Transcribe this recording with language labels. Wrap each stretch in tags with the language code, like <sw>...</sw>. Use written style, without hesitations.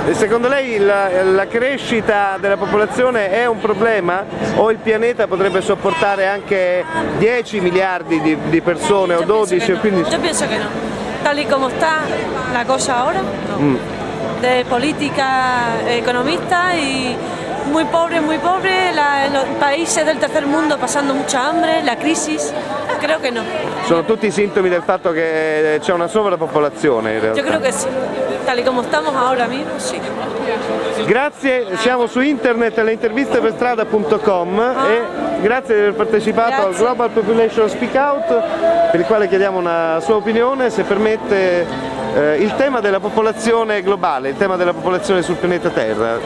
<it>Secondo lei la crescita della popolazione è un problema? O il pianeta potrebbe sopportare anche 10 miliardi di persone o 12? Io penso che no.</it> <es>Tal y como está la cosa ahora, de política economista y muy pobre, muy pobre, los países del tercer mundo pasando mucha hambre, la crisis, creo que no.</es> <it>Sono tutti sintomi del fatto che c'è una sovrappopolazione in realtà.</it> <es>Yo creo que sí, tal y como estamos ahora mismo, sí.</es> <it>Grazie, siamo su internet alle intervistepestrada.com e grazie di aver partecipato al Global Population Speak Out, per il quale chiediamo una sua opinione, se permette, il tema della popolazione globale, il tema della popolazione sul pianeta Terra.</it>